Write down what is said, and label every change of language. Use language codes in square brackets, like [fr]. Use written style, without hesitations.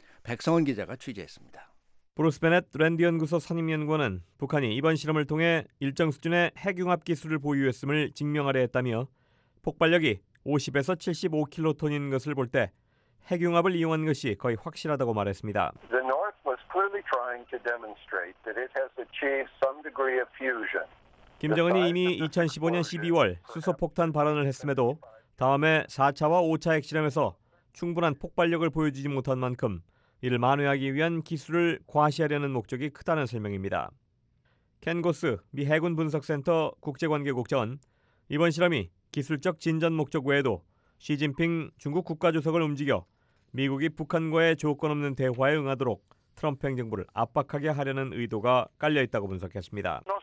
[ko] 백성원 기자가 취재했습니다. 브루스 베넷 랜디 연구소 선임연구원은 북한이 이번 실험을 통해 일정 수준의 핵융합 기술을 보유했음을 증명하려 했다며 폭발력이 50에서 75킬로톤인 것을 볼 때 핵융합을 이용한 것이 거의 확실하다고 말했습니다. [en] The North was clearly trying to demonstrate that it has achieved some degree of fusion. [ko] 김정은이 이미 2015년 12월 수소폭탄 발언을 했음에도 다음에 4차와 5차 핵실험에서 충분한 폭발력을 보여주지 못한 만큼 이를 만회하기 위한 기술을 과시하려는 목적이 크다는 설명입니다. 켄 고스 미 해군 분석센터 국제관계국장은 이번 실험이 기술적 진전 목적 외에도 시진핑 중국 국가주석을 움직여 미국이 북한과의 조건 없는 대화에 응하도록 트럼프 행정부를 압박하게 하려는 의도가 깔려있다고 분석했습니다.